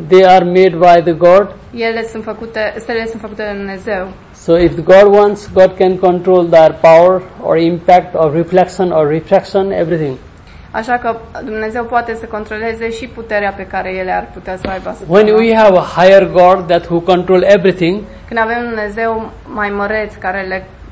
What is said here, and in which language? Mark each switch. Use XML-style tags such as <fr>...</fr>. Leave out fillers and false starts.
<en>They are made by the God.</en> <ro>Stelele sunt făcute de Dumnezeu.</ro> <en>So if God wants, God can control their power or impact or refraction, everything.</en> <ro>Așa că Dumnezeu poate să controleze și puterea pe care ele ar putea să o aibă.</ro> <en>When we have a higher God that who control everything.</en> <ro>Când avem un Dumnezeu mai măreț care le</ro>